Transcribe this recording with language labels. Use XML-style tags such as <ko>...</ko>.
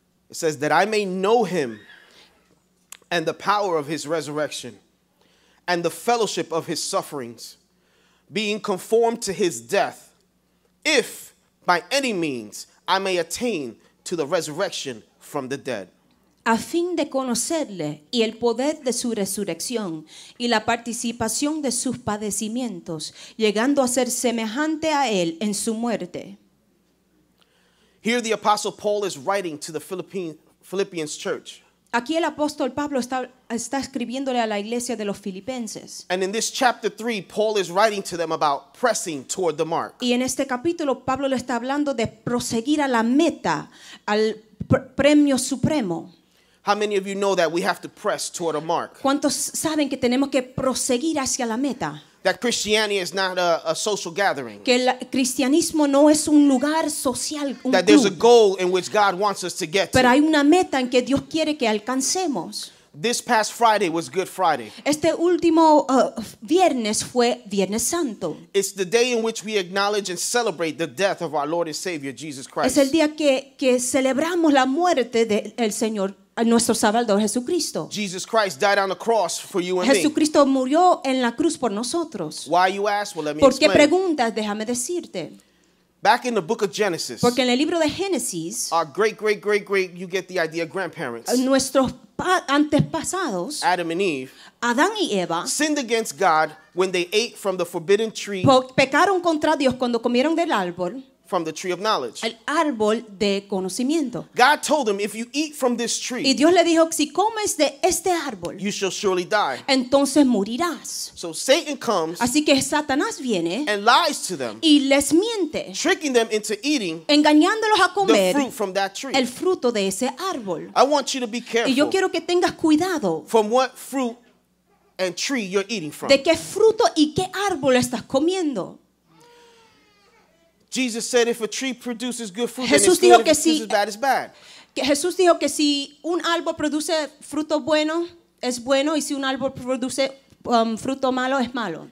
<en>It says that I may know him and the power of his resurrection and the fellowship of his sufferings, being conformed to his death, if by any means I may attain to the resurrection from the dead.</en> <es>A fin de conocerle y el poder de su resurrección y la participación de sus padecimientos, llegando a ser semejante a él en su muerte.</es> <en>Here the Apostle Paul is writing to the Philippians church.</en> <es>Aquí el apóstol Pablo está escribiéndole a la iglesia de los Filipenses.</es> <en>And in this chapter 3, Paul is writing to them about pressing toward the mark.</en> <es>Y en este capítulo Pablo le está hablando de proseguir a la meta, al premio supremo.</es> <en>How many of you know that we have to press toward a mark?</en> <es>¿Cuántos saben que tenemos que proseguir hacia la meta?</es> <en>That Christianity is not a social gathering.</en> <es>Que el cristianismo no es un lugar social, un</es> <en>that</en> <es>club.</es> <en>There's a goal in which God wants us to get to.</en> <es>Pero hay una meta en que Dios quiere que alcancemos.</es> <en>This past Friday was Good Friday.</en> <es>Este último viernes fue Viernes Santo.</es> <en>It's the day in which we acknowledge and celebrate the death of our Lord and Savior Jesus Christ.</en> <es>Es el día que celebramos la muerte del Señor nuestro Salvador Jesucristo.</es> <en>Jesus Christ died on the cross for you and</en> <es>Jesucristo</es> <en>me.</en> <es>Murió en la cruz por nosotros.</es> <en>Why you ask? Well, let me</en> <es>¿por qué</es> <en>explain.</en> <es>Preguntas? Déjame decirte.</es> <en>Back in the book of Genesis.</en> <es>Porque en el libro de Génesis.</es> <en>Our great, great, great, great, you get the idea, grandparents.</en> <es>Nuestros antepasados.</es> <en>Adam and Eve.</en> <es>Adán y Eva.</es> <en>Sinned against God when they ate from the forbidden tree.</en> <es>Pecaron contra Dios cuando comieron del árbol.</es> <en>From the tree of knowledge.</en> <es>El árbol de conocimiento.</es> <en>God told them, if you eat from this tree.</en> <es>Y Dios le dijo, si comes de este árbol.</es> <en>You shall surely die.</en> <es>Entonces morirás.</es> <en>So Satan comes.</en> <es>Así que Satanás viene.</es> <en>And lies to them.</en> <es>Y les miente.</es> <en>Tricking them into eating.</en> <es>Engañándolos a comer.</es> <en>The fruit from that tree.</en> <es>El fruto de ese árbol.</es> <en>I want you to be careful.</en> <es>Y yo quiero que tengas cuidado.</es> <en>From what fruit and tree you're eating from.</en> <es>De qué fruto y qué árbol estás comiendo.</es> <en>Jesus said if a tree produces good fruit,</en> <es>Jesús</es> <en>then it's good. If it produces bad, it's bad.</en> <es>Que Jesús dijo que si un árbol produce fruto bueno, es bueno, y si un árbol produce fruto malo, es malo.</es>